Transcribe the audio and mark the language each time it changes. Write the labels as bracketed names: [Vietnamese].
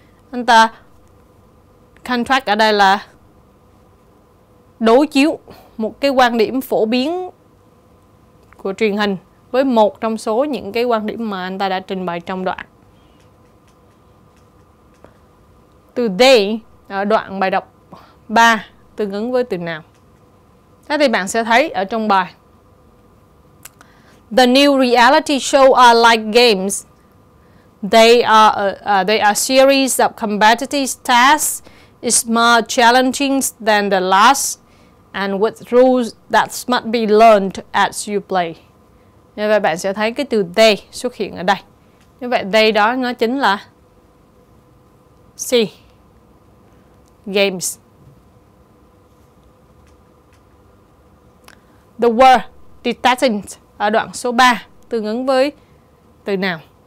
[Vietnamese] Anh ta contrast ở đây là đối chiếu một cái quan điểm phổ biến của truyền hình với một trong số những cái quan điểm mà anh ta đã trình bày trong đoạn. Từ they ở đoạn bài đọc 3 tương ứng với từ nào? Thế thì bạn sẽ thấy ở trong bài [English] the new reality show are like games. They are series of competitive tasks is more challenging than the last and with rules that must be learned as you play. [Vietnamese] Như vậy bạn sẽ thấy cái từ they xuất hiện ở đây. Như vậy they đó nó chính là see games. [English] The word detaching [Vietnamese] ở đoạn số 3 tương ứng với từ nào?